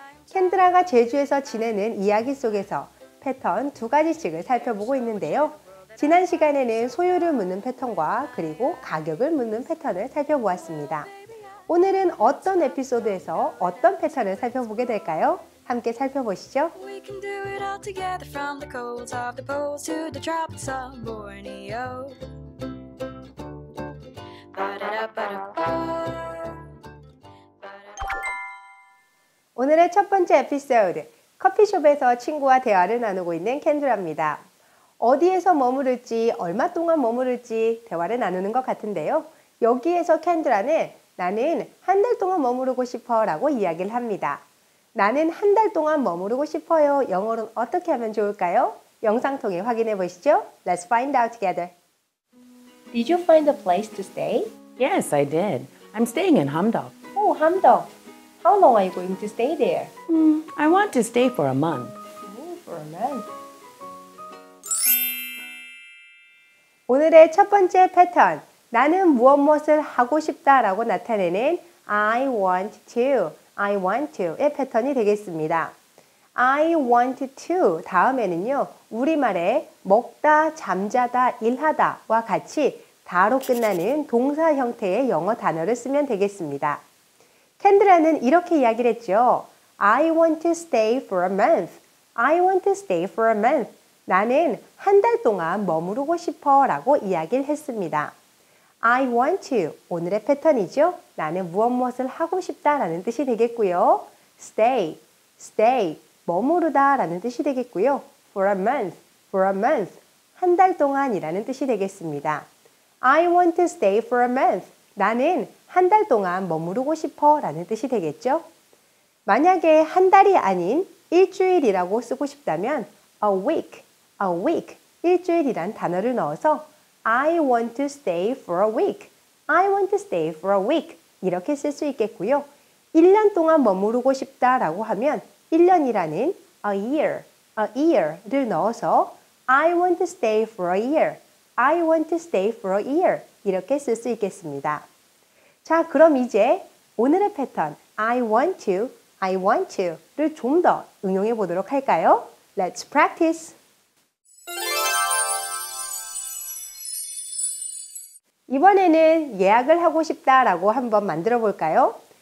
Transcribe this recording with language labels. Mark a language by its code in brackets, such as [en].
[ko] 켄드라가 제주에서 지내는 이야기 속에서 패턴 두 가지씩을 살펴보고 있는데요. 지난 시간에는 소유를 묻는 패턴과 그리고 가격을 묻는 패턴을 살펴보았습니다. 오늘은 어떤 에피소드에서 어떤 패턴을 살펴보게 될까요? 함께 살펴보시죠. [en] We can do it all together from the coals of the poles to the tropics of Borneo. Ba-da-da-ba-da-ba. [ko] 오늘의 첫 번째 에피소드, 커피숍에서 친구와 대화를 나누고 있는 켄드라입니다. 어디에서 머무를지, 얼마 동안 머무를지 대화를 나누는 것 같은데요. 여기에서 켄드라는 나는 한 달 동안 머무르고 싶어 라고 이야기를 합니다. 나는 한 달 동안 머무르고 싶어요. 영어로 어떻게 하면 좋을까요? 영상 통해 확인해 보시죠. [en] Let's find out together. Did you find a place to stay? Yes, I did. I'm staying in Hamdok. Oh, Hamdok. How long are you going to stay there? I want to stay for a month. Oh, for a month. [ko] 오늘의 첫 번째 패턴, 나는 무엇 무엇을 하고 싶다라고 나타내는 [en] I want to, I want to [ko] 의 패턴이 되겠습니다. [en] I want to [ko] 다음에는요, 우리말에 먹다, 잠자다, 일하다와 같이 다로 끝나는 동사 형태의 영어 단어를 쓰면 되겠습니다. 켄드라는 이렇게 이야기를 했죠. [en] I want to stay for a month. I want to stay for a month. [ko] 나는 한 달 동안 머무르고 싶어 라고 이야기를 했습니다. [en] I want to. [ko] 오늘의 패턴이죠. 나는 무엇 무엇을 하고 싶다 라는 뜻이 되겠고요. [en] Stay. Stay. [ko] 머무르다 라는 뜻이 되겠고요. [en] For a month. For a month. [ko] 한 달 동안이라는 뜻이 되겠습니다. [en] I want to stay for a month. [ko] 나는 한 달 동안 머무르고 싶어 라는 뜻이 되겠죠. 만약에 한 달이 아닌 일주일이라고 쓰고 싶다면 [en] a week, a week, [ko] 일주일이란 단어를 넣어서 [en] I want to stay for a week, I want to stay for a week [ko] 이렇게 쓸 수 있겠고요. 1년 동안 머무르고 싶다라고 하면 1년이라는 [en] a year, a year를 넣어서 I want to stay for a year, I want to stay for a year [ko] 이렇게 쓸 수 있겠습니다. 자, 그럼 이제 오늘의 패턴 [en] I want to, I want to [ko] 를 좀 더 응용해 보도록 할까요? [en] Let's practice. [ko] 이번에는 예약을 하고 싶다라고 한번 만들어 볼까요?